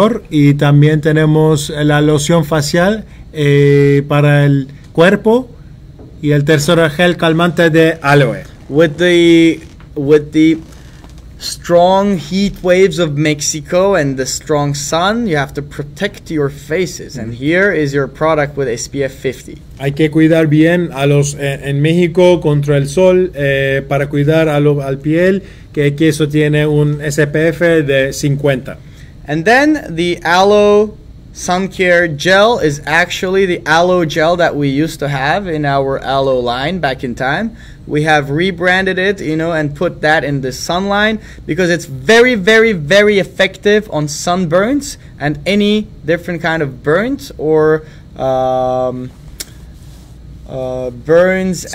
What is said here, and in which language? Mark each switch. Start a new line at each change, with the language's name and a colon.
Spanish: y también tenemos la loción facial para el cuerpo y el tercero gel calmante de aloe.
English: With the strong heat waves of Mexico and the strong sun, you have to protect your faces. Mm-hmm. And here is your product with SPF 50.
Spanish: Hay que cuidar bien a los en México contra el sol para cuidar al piel que eso tiene un SPF de 50.
English: And then the aloe sun care gel is actually the aloe gel that we used to have in our aloe line back in time. We have rebranded it, you know, and put that in the sun line because it's very, very, very effective on sunburns and any different kind of burns or burns scars.